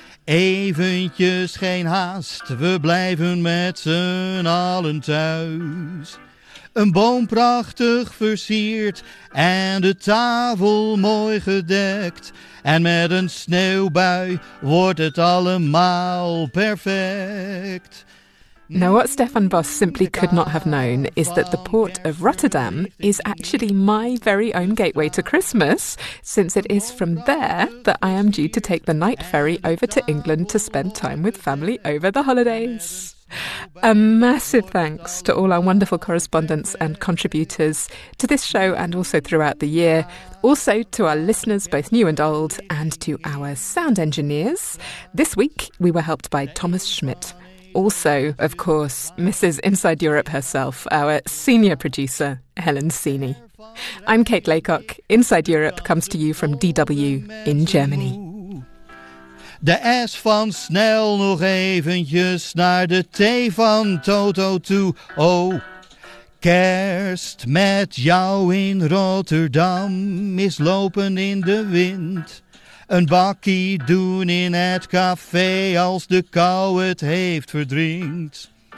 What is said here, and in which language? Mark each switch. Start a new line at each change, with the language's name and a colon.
Dutch: Eventjes geen haast, we blijven met z'n allen thuis. Een boom prachtig versierd en de tafel mooi gedekt. En met een sneeuwbui wordt het allemaal perfect.
English: Now, what Stefan Bos simply could not have known is that the port of Rotterdam is actually my very own gateway to Christmas, since it is from there that I am due to take the night ferry over to England to spend time with family over the holidays. A massive thanks to all our wonderful correspondents and contributors to this show and also throughout the year. Also to our listeners, both new and old, and to our sound engineers. This week, we were helped by Thomas Schmidt. Also, of course, Mrs. Inside Europe herself, our senior producer, Helen Sini. I'm Kate Laycock. Inside Europe comes to you from DW in Germany.
Dutch: De S van snel nog eventjes naar de T van Toto toe. Oh, kerst met jou in Rotterdam, mislopen in de wind. Een bakkie doen in het café als de kou het heeft verdrinkt.